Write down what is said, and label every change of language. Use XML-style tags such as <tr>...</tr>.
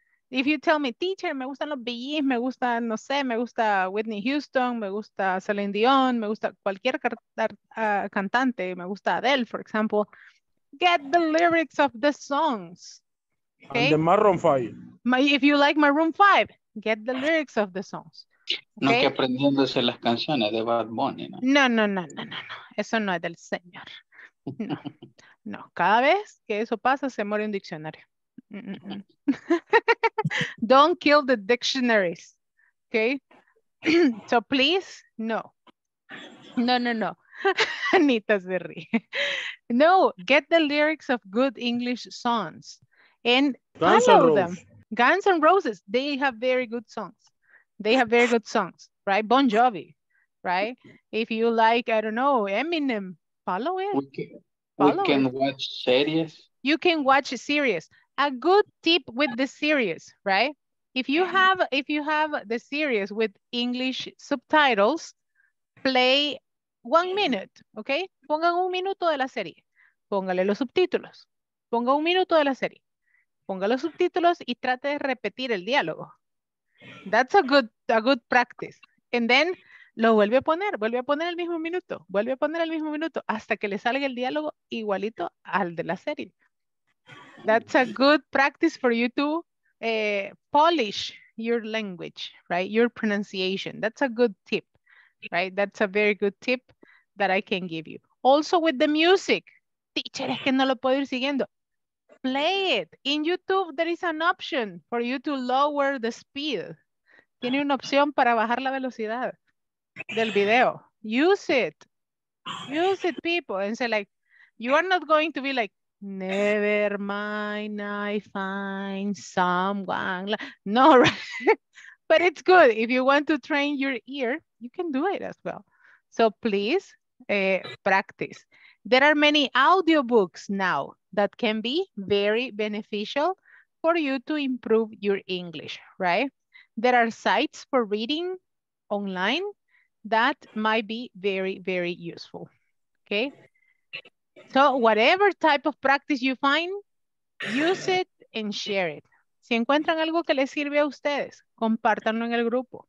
<en>If you tell me, teacher,</en> <es>me gustan los BGs, me gusta, no sé, me gusta Whitney Houston, me gusta Celine Dion, me gusta cualquier cantante, me gusta Adele,</es> <en>for example, get the lyrics of the songs. Okay? And the Maroon 5. If you like Maroon 5, get the lyrics of the songs. Okay?</en> <es>No que aprendiéndose las canciones de Bad Bunny. No, no, no, no, no, no. Eso no es del señor. No. No, cada vez que eso pasa, se muere un diccionario.</es> <en>Don't kill the dictionaries. Okay? So please, no. No, no, no.</en> <es>Anita se ríe.</es> <en>No, get the lyrics of good English songs. And follow them. Guns N' Roses, they have very good songs. They have very good songs, right? Bon Jovi, right? If you like, I don't know, Eminem, follow it. You can watch a series. A good tip with the series, right? If you have the series with English subtitles, play 1 minute, okay?</en> <es>Pongan 1 minuto de la serie. Póngale los subtítulos. Ponga 1 minuto de la serie. Ponga los subtítulos y trate de repetir el diálogo.</es> <en>That's a good practice. And then</en> <es>lo vuelve a poner el mismo minuto, vuelve a poner el mismo minuto hasta que le salga el diálogo igualito al de la serie.</es> <en>That's a good practice for you to polish your language, right? Your pronunciation. That's a good tip, right? That's a very good tip that I can give you. Also with the music.</en> <es>Teacher, es que no lo puedo ir siguiendo.</es> <en>Play it. In YouTube, there is an option for you to lower the speed.</en> <es>Tiene una opción para bajar la velocidad del video.</es> <en>Use it. Use it, people. And say, like, you are not going to be like, never mind, I find someone. No, right? But it's good. If you want to train your ear, you can do it as well. So please practice. There are many audiobooks now that can be very beneficial for you to improve your English, right? There are sites for reading online that might be very, very useful, okay? So whatever type of practice you find, use it and share it.</en> <es>Si encuentran algo que les sirve a ustedes, compártanlo en el grupo.</es>